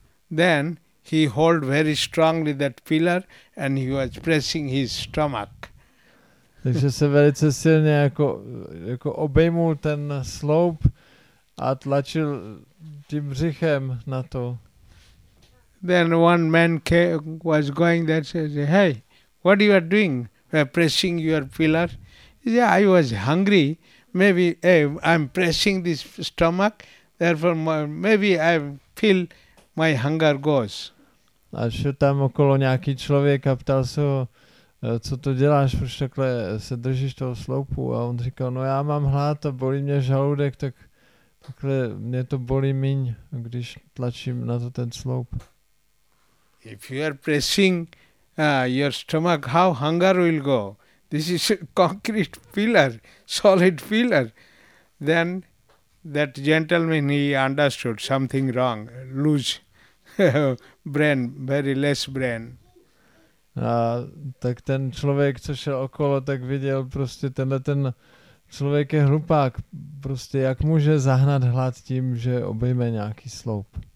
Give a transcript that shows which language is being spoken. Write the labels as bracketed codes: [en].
[en] Then he hold very strongly that pillar and he was pressing his stomach. [cs] Takže se velice silně jako obejmul ten sloup a tlačil tím břichem na to. [en] Then one man was going there, says, hey, what you are doing? You're pressing your pillar? Yeah, I was hungry. I'm pressing this stomach. Therefore, maybe I feel my hunger goes. [cs] A šel tam okolo nějaký člověk a ptal se ho, co to děláš, proč takhle se držíš toho sloupu? A on říkal, no já mám hlad a bolí mě žaludek, tak takhle mě to bolí míň, když tlačím na to ten sloup. [en] If you are pressing your stomach, how hunger will go? This is a concrete pillar, solid pillar. Then that gentleman, he understood something wrong, loose brain, very less brain. [cs] A tak ten člověk, co šel okolo, tak viděl prostě tenhle ten člověk je hlupák. Prostě jak může zahnat hlad tím, že obejme nějaký sloup?